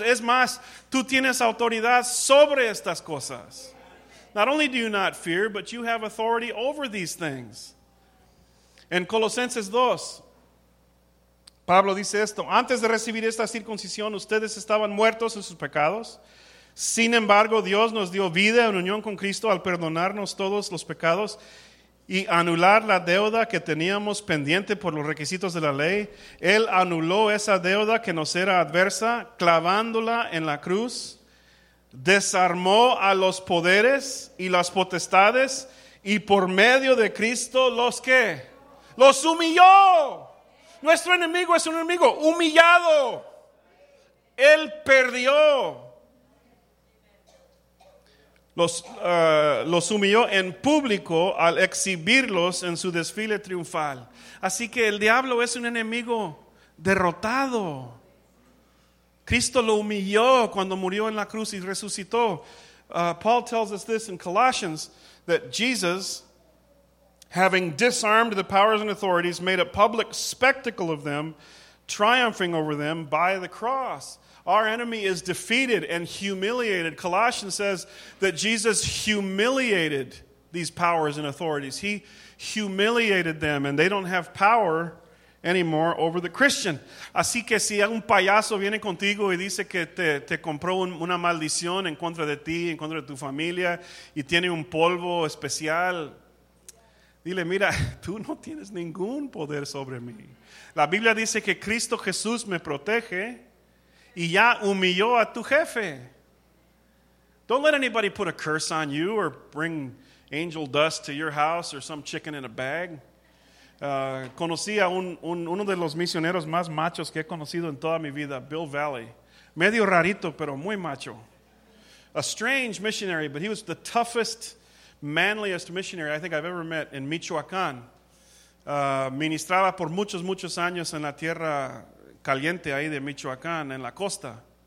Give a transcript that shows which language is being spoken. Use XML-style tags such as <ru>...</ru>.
<es>Es más, tú tienes autoridad sobre estas cosas.</es> <en>Not only do you not fear, but you have authority over these things.</en> <es>En Colosenses 2, Pablo dice esto. Antes de recibir esta circuncisión, ustedes estaban muertos en sus pecados. Sin embargo, Dios nos dio vida en unión con Cristo al perdonarnos todos los pecados y anular la deuda que teníamos pendiente por los requisitos de la ley. Él anuló esa deuda que nos era adversa, clavándola en la cruz. Desarmó a los poderes y las potestades, y por medio de Cristo, ¿los qué? ¡Los humilló! Nuestro enemigo es un enemigo humillado. Él perdió. Los humilló en público al exhibirlos en su desfile triunfal. Así que el diablo es un enemigo derrotado. Cristo lo humilló cuando murió en la cruz y resucitó.</es> <en>Paul tells us this in Colossians, that Jesus, having disarmed the powers and authorities, made a public spectacle of them, triumphing over them by the cross. Our enemy is defeated and humiliated. Colossians says that Jesus humiliated these powers and authorities. He humiliated them, and they don't have power anymore over the Christian.</en> <es>Así que si un payaso viene contigo y dice que te compró una maldición en contra de ti, en contra de tu familia, y tiene un polvo especial, dile, mira, tú no tienes ningún poder sobre mí. La Biblia dice que Cristo Jesús me protege. Y ya humilló a tu jefe.</es> <en>Don't let anybody put a curse on you or bring angel dust to your house or some chicken in a bag.</en> <es>Conocí a uno de los misioneros más machos que he conocido en toda mi vida, Bill Valley. Medio rarito, pero muy macho.</es> <en>A strange missionary, but he was the toughest, manliest missionary I think I've ever met in Michoacán.</en> <es>Ministraba por muchos, muchos años en la tierra caliente ahí de Michoacán, en la costa.</es>